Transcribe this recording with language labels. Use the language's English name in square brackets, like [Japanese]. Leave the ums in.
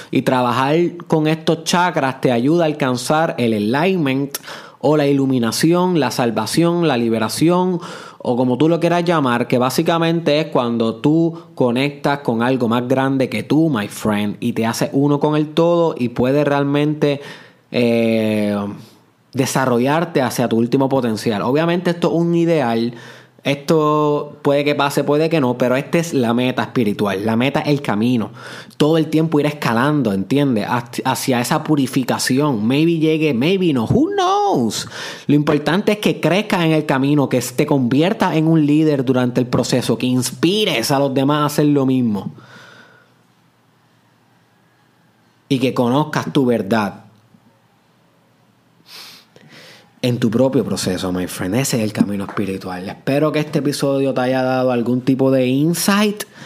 [Spanish] Y trabajar con estos chakras te ayuda a alcanzar el enlightenment o la iluminación, la salvación, la liberación o como tú lo quieras llamar, que básicamente es cuando tú conectas con algo más grande que tú, [English] my friend, [Spanish] y te haces uno con el todo y puedes realmente eh, desarrollarte hacia tu último potencial. Obviamente esto es un ideal esto puede que pase, puede que no, pero esta es la meta espiritual, la meta es el camino. Todo el tiempo ir escalando, ¿entiendes? Hacia esa purificación. [English] Maybe [Spanish] llegue, [English] maybe no, who knows? [Spanish] Lo importante es que crezcas en el camino, que te conviertas en un líder durante el proceso, que inspires a los demás a hacer lo mismo. Y que conozcas tu verdad en tu propio proceso, [English] my friend. [Spanish] Ese es el camino espiritual. Espero que este episodio te haya dado algún tipo de insight.